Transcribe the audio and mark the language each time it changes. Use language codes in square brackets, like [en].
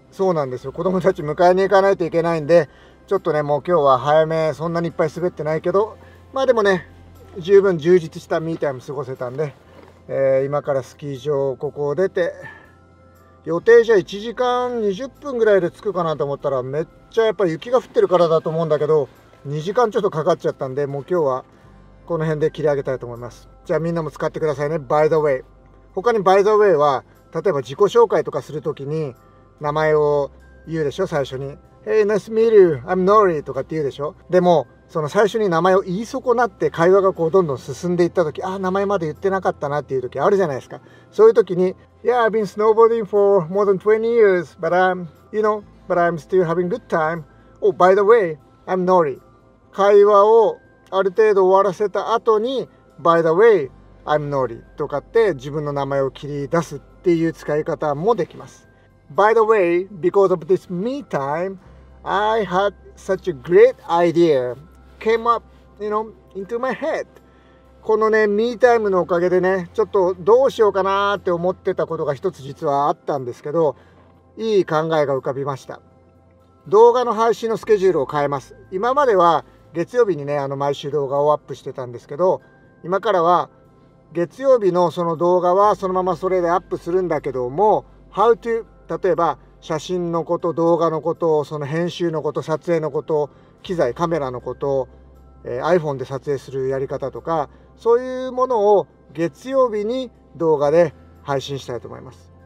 [ja] そうなんですよ、子供たち迎えに行かないといけないんで、ちょっとね、もう今日は早め、そんなにいっぱい滑ってないけど、まあでもね、十分充実したミータイム過ごせたんで、今からスキー場ここを出て、予定じゃ1時間20分ぐらいで着くかなと思ったら、めっちゃやっぱ雪が降ってるからだと思うんだけど、2時間ちょっとかかっちゃったんで、もう今日はこの辺で切り上げたいと思います。じゃあみんなも使ってくださいね、 [en] By the way。 [ja] 他に By the way は、例えば自己紹介とかするときに名前を言うでしょ、最初に [en] Hey, nice to meet you, I'm Nori [ja] とかって言うでしょ。でもその最初に名前を言い損なって会話がこうどんどん進んでいったとき、ああ名前まで言ってなかったなっていうときあるじゃないですか。そういうときに [en] Yeah, I've been snowboarding for more than 20 years but I'm, you know, but I'm still having good time. Oh, by the way, I'm Nori。 [ja] 会話をある程度終わらせた後に [en] By the way, I'm Nori [ja] とかって自分の名前を切り出すっていう使い方もできます。 [en] By the way, because of this me time, I had such a great idea came up, you know, into my head. [ja] このね、me time のおかげでね、ちょっとどうしようかなって思ってたことが一つ実はあったんですけど、いい考えが浮かびました。動画の配信のスケジュールを変えます。今までは月曜日にね、毎週動画をアップしてたんですけど、今からは月曜日のその動画はそのままそれでアップするんだけども How to 例えば写真のこと、動画のこと、その編集のこと、撮影のこと、機材、カメラのこと、iPhone で撮影するやり方とか、そういうものを月曜日に動画で配信したいと思います。